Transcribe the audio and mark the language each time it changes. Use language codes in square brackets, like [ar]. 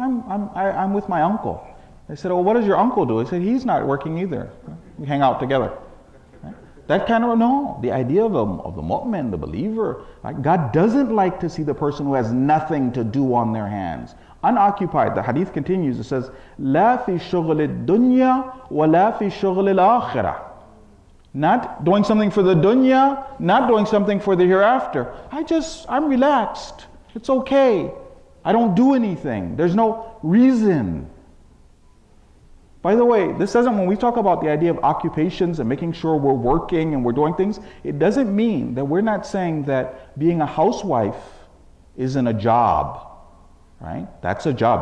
[en] I'm with my uncle. They said, well, what does your uncle do? He said, he's not working either. We hang out together. Right? That kind of, no. The idea of the mu'min, the believer, like God doesn't like to see the person who has nothing to do on their hands. Unoccupied. The hadith continues. It says, [ar] لَا فِي شُغْلِ الدُّنْيَا وَلَا فِي شُغْلِ الْآخِرَةِ. [en] Not doing something for the dunya, not doing something for the hereafter. I'm relaxed. It's okay. I don't do anything. There's no reason. By the way, this doesn't, when we talk about the idea of occupations and making sure we're working and we're doing things, it doesn't mean that we're not saying that being a housewife isn't a job, right? That's a job.